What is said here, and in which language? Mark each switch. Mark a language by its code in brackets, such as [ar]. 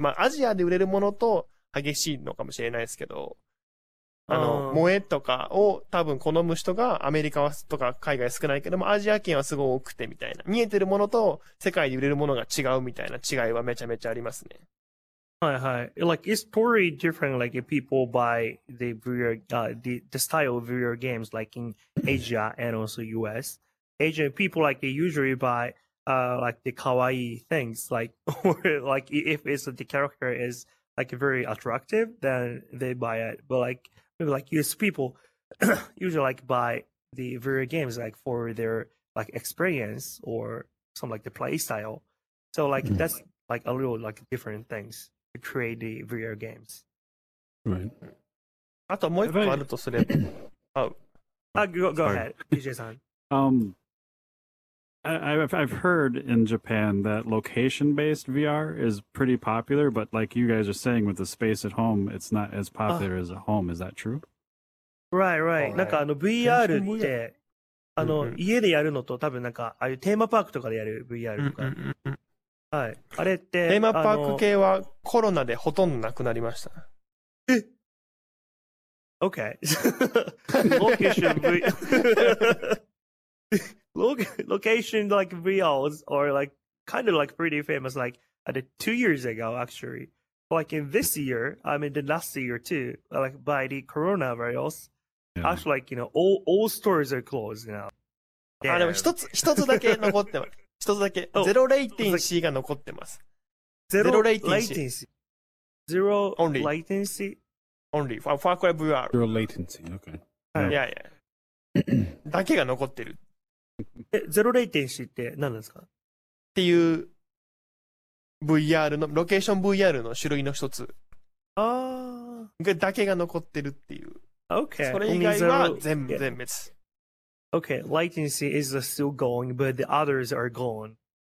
[ja] まあ、アジアで売れるものと激しいのかもしれないですけど、あの、萌えとかを多分好む人がアメリカはとか海外少ないけども、アジア圏はすごい多くてみたいな。見えてるものと世界で売れるものが違うみたいな違いはめちゃめちゃありますね。はいはい。 [en] Like, it's totally different, like, people buy the video, the style of video games, like, in Asia and also US. Asian people, like, they usually buy, like, the kawaii things, like, or, like, if it's, the character is, like, very attractive, then they buy it. But, like,Maybe like US people usually like buy the video games like for their like experience or some like the play style. So like that's like a little like different things to create the video games. Right. [ja] あともう一個あるとすれば、 [en] oh. Go ahead, DJ-san. I've heard in Japan that location-based VR is pretty popular, but like you guys are saying with the space at home, it's not as popular as at home. Is that true? Right. [ja] なんかあの VR って、あの家でやるのと多分なんかああいうテーマパークとかでやる VR とか。はい。あれって、テーマパーク系はコロナでほとんどなくなりました。 [en] え Okay. Location VR. Location like VRs are like kind of like pretty famous like at 2 years ago actually like in this year I mean the last year too like by the coronavirus yeah. actually like you know all stores are closed now [ja] yeah. あでも一つだけ残ってます一つだけ、oh, ゼロレイテンシーが残ってます [en] ゼロレイテンシー latency. Zero only latency only Far Cry VR zero latency okay [ja] yeah yeah だけが残ってるえゼロレイテンシーって何ですかっていう VR のロケーション VR の種類の一つああだけが残ってるっていう [en] OK [ja] それ以外は全部全滅 [en] OK latency is still going but the others are gone